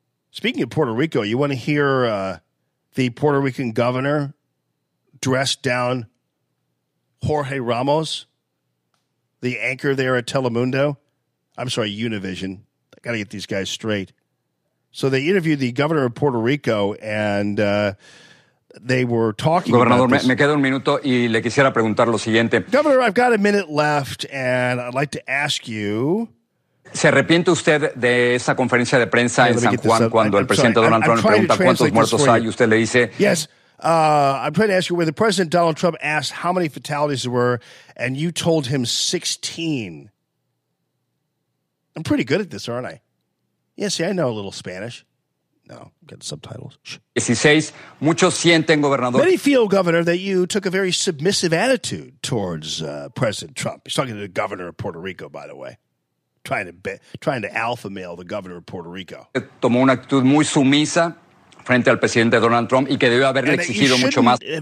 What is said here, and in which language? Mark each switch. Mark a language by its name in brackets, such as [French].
[English] Speaking of Puerto Rico, you want to hear the Puerto Rican governor dress down Jorge Ramos, the anchor there at Telemundo? I'm sorry, Univision. I got to get these guys straight. So they interviewed the governor of Puerto Rico, and they were talking [Spanish] Gobernador, [English] about [Spanish] me quedo un minuto y le quisiera preguntar lo siguiente. [English] Governor, I've got a minute left, and I'd like to ask you. [Spanish] ¿Se arrepiente usted de esa conferencia de prensa en San Juan cuando el presidente Donald Trump le pregunta cuántos muertos hay y usted le dice? [English] Yes. I'm trying to ask you, when the President Donald Trump asked how many fatalities there were, and you told him 16. I'm pretty good at this, aren't I? Yeah, see, I know a little Spanish. No, get the subtitles. [Spanish] 16, muchos sienten, gobernador. [English] Many feel, Governor, that you took a very submissive attitude towards President Trump. He's talking to the governor of Puerto Rico, by the way. Trying to alpha male the governor of Puerto Rico. [Spanish] Tomó una actitud muy sumisa frente al presidente Donald Trump y que debió haberle exigido mucho más.